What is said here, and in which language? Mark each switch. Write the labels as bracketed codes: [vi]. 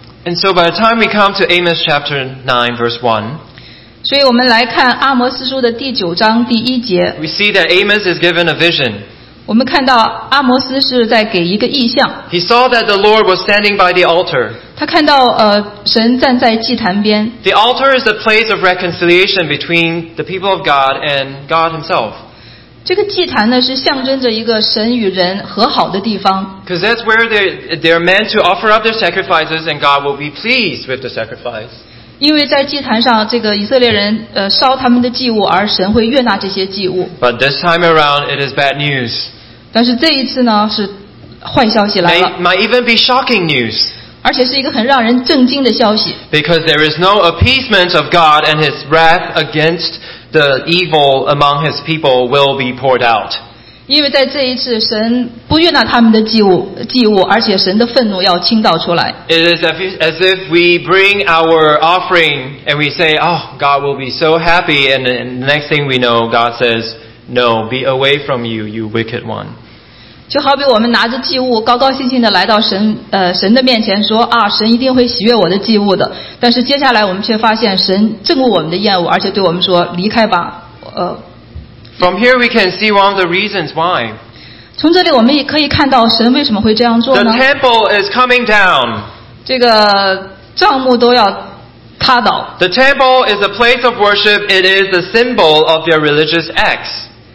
[en] And so by the time we come to Amos chapter 9 verse 1, [zh] 所以我们来看阿摩斯书的第九章第一节。 [en] We see that Amos is given a vision. [zh] 我们看到阿摩斯是在给一个意象。 [en] He saw that the Lord was standing by the altar. [zh] 他看到神站在祭坛边。 [en] The altar is the place of reconciliation between the people of God and God Himself. [zh] 这个祭坛呢是象征着一个神与人和好的地方。 [en] Because that's where they're meant to offer up their sacrifices, and God will be pleased with the sacrifice. [zh] 因为在祭坛上这个以色列人烧他们的祭物而神会悦纳这些祭物 [en] But this time around, it is bad news. [zh] 但是这一次呢是坏消息来了 [en] might even be shocking news. [zh] 而且是一个很让人震惊的消息 [en] Because there is no appeasement of God and his wrath against the evil among his people will be poured out. [zh] 因为在这一次神不悦纳他们的祭物而且神的愤怒要倾倒出来 [en] It is as if we bring our offering and we say, oh, God will be so happy and the next thing we know, God says, no, be away from you, you wicked one [zh] 就好比我们拿着祭物高高兴兴地来到神的面前说啊，神一定会喜悦我的祭物的但是接下来我们却发现神憎恶我们的厌恶而且对我们说离开吧 [en] From here we can see one of the reasons why. [zh] 从这里我们也可以看到神为什么会这样做呢 [en] The temple is coming down. [zh] 这个帐幕都要塌倒 [en] The temple is a place of worship. It is the symbol of their religious acts.